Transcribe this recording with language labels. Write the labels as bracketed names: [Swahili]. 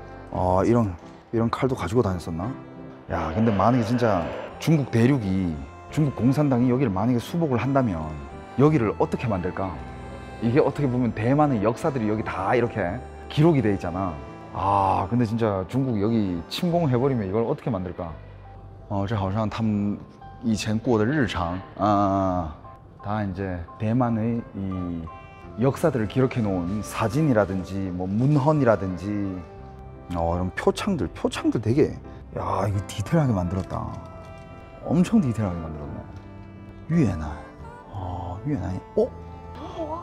[Korean] 어, 이런 칼도 가지고 다녔었나? 야, 근데 만약에 진짜 중국 대륙이 중국 공산당이 여기를 만약에 수복을 한다면 여기를 어떻게 만들까? 이게 어떻게 보면 대만의 역사들이 여기 다 이렇게 기록이 돼 있잖아. 아, 근데 진짜 중국 여기 침공해버리면 이걸 어떻게 만들까? [Chinese] 어, 这好像他们以前过的日常. [Korean] 아, 다 이제 대만의 이 역사들을 기록해놓은 사진이라든지 뭐 문헌이라든지 이런 표창들 되게, 야, 이거 디테일하게 만들었다. 엄청 디테일하게 만들었네. 越南.아, 越南. 어?